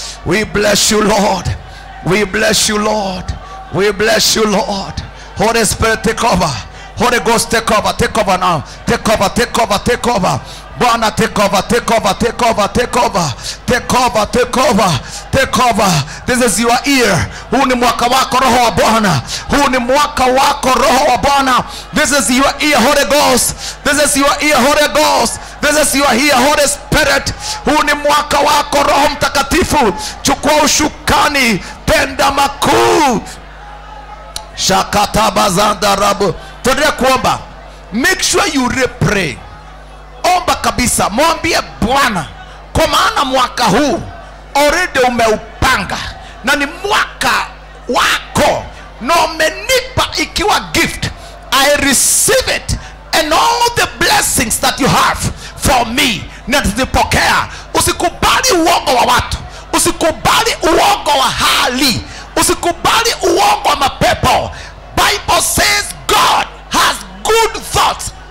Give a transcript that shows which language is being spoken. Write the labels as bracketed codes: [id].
[en] We bless you, Lord. We bless you, Lord. We bless you, Lord. Holy Spirit, take over. Holy Ghost, take over. Take over now. Take over, take over, take over. Bwana, take over, take over, take over, take over. Take over, take over, take over. This is your ear. [sw] Huu ni mwaka wako roho wa Bwana. Huu ni mwaka wako roho wa Bwana. [en] This is your ear, Holy Ghost. This is your ear, Holy Ghost. This is your ear, Holy Spirit. [sw] Huu ni mwaka wako roho mtakatifu. Chukua ushukani, tenda makuu. Shakata bazanda rabu. Tuendelee kuomba. [en] Make sure you re-pray. [sw] Omba kabisa, mwambie Bwana, kwa maana mwaka huu already umeupanga na ni mwaka wako na umenipa ikiwa gift. [en] I receive it and all the blessings that you have for me, [sw] na tuzipokea. Usikubali uongo wa watu, usikubali uongo wa hali, usikubali uongo wa mapepo. [en] Bible says God has good thoughts.